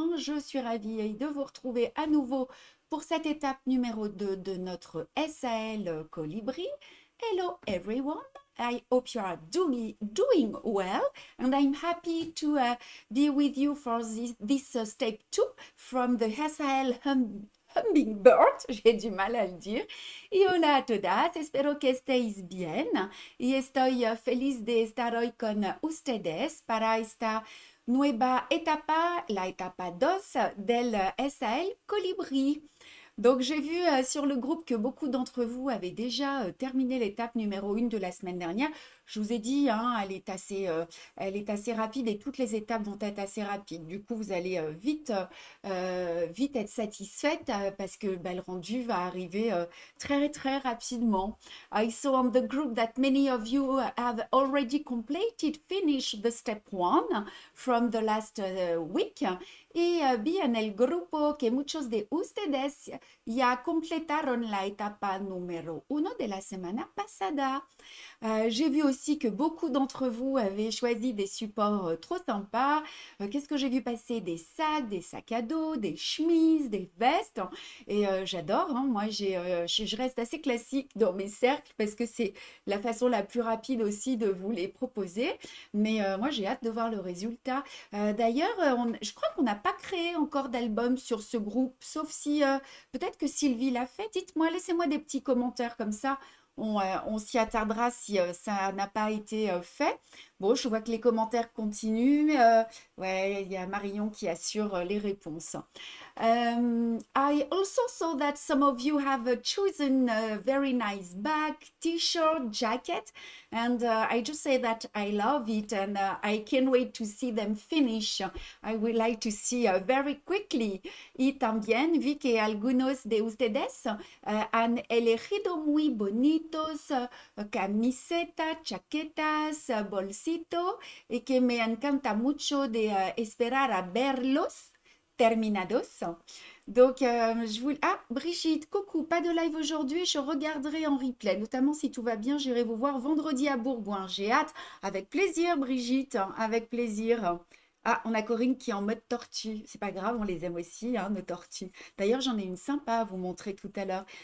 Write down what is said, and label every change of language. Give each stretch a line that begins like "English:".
French: Je suis ravie de vous retrouver à nouveau pour cette étape numéro 2 de notre SAL Colibri.
English: Hello everyone. I hope you are doing well and I'm happy to be with you for this step 2 from the SAL Hummingbird,
French: j'ai du mal à le dire.
Spanish: Y hola a todas, espero que estéis bien. Y estoy feliz de estar hoy con ustedes para esta nueva etapa, la etapa 2 del SAL Colibri.
French: Donc, j'ai vu sur le groupe que beaucoup d'entre vous avaient déjà terminé l'étape numéro 1 de la semaine dernière. Je vous ai dit, hein, elle est assez rapide et toutes les étapes vont être assez rapides. Du coup, vous allez vite être satisfaite parce que le rendu va arriver très, très rapidement.
English: I saw on the group that many of you have already completed, finished the step one from the last week.
Spanish: Y vi en el grupo que muchos de ustedes ya completaron la etapa número uno de la semana pasada.
French: J'ai vu aussi que beaucoup d'entre vous avaient choisi des supports trop sympas. Qu'est-ce que j'ai vu passer? Des sacs, des sacs à dos, des chemises, des vestes. Et j'adore, hein, moi je reste assez classique dans mes cercles parce que c'est la façon la plus rapide aussi de vous les proposer. Mais moi j'ai hâte de voir le résultat. D'ailleurs, je crois qu'on n'a pas créé encore d'album sur ce groupe, sauf si peut-être que Sylvie l'a fait. Dites-moi, laissez-moi des petits commentaires comme ça. On s'y attardera si ça n'a pas été fait. Bon, je vois que les commentaires continuent. Ouais, il y a Marion qui assure les réponses.
English: I also saw that some of you have chosen a very nice bag, t-shirt, jacket. And I just say that I love it and I can't wait to see them finish. I would like to see very quickly.
Spanish: Y también vi que algunos de ustedes han elegido muy bonitos camisetas, chaquetas, bolsito. Y que me encanta mucho de esperar a verlos. Terminados.
French: Donc, je voulais. Ah, Brigitte, coucou, pas de live aujourd'hui, je regarderai en replay. Notamment, si tout va bien, j'irai vous voir vendredi à Bourgoin. J'ai hâte. Avec plaisir, Brigitte, avec plaisir. Ah, on a Corinne qui est en mode tortue. C'est pas grave, on les aime aussi, hein, nos tortues. D'ailleurs, j'en ai une sympa à vous montrer tout à l'heure.